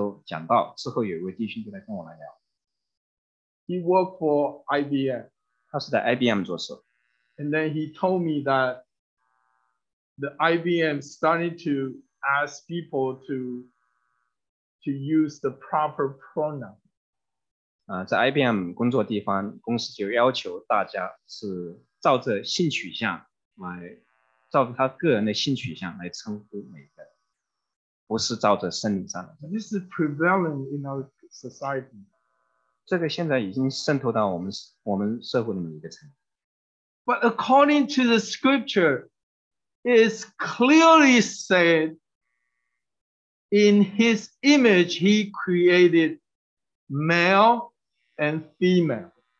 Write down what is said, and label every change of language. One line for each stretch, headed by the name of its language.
Chinese: 我有一次就是在纽约上周讲道之后，有一位弟兄就来跟我来聊。
English: He worked for IBM.
Chinese: 他是在 IBM 做事。
English: And then he told me that the IBM started to ask people to use the proper pronoun.
Chinese: 在 IBM 工作地方，公司就要求大家是照着性取向来，照着他个人的性取向来称呼每个，不是照着生理上的。
English: This is prevalent in our society.
Chinese: 这个现在已经渗透到我们社会的每一个层。
English: But according to the scripture, it's clearly said in his image he created male and female.